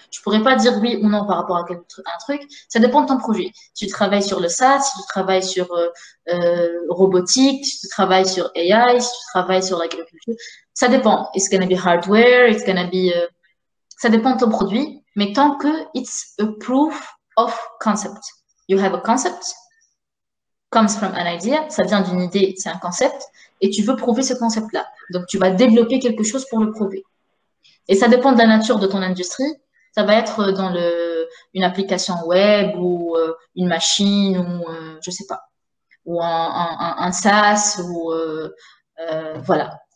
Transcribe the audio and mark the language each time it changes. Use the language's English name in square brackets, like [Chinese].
[French] Je pourrais pas dire oui ou non par rapport à un truc. Ça dépend de ton projet. Si tu travailles sur le SaaS, si tu travailles sur robotique, si tu travailles sur AI, si tu travailles sur l'agriculture, ça dépend. [English] It's gonna be hardware. It's gonna be. [French] Ça dépend de ton produit. Mais tant que [English] it's a proof of concept, you have a concept. comes from an idea, [French] ça vient d'une idée, c'est un concept, et tu veux prouver ce concept-là. Donc, tu vas développer quelque chose pour le prouver. Et ça dépend de la nature de ton industrie. Ça va être dans une application web ou une machine ou je sais pas, ou un SaaS ou voilà.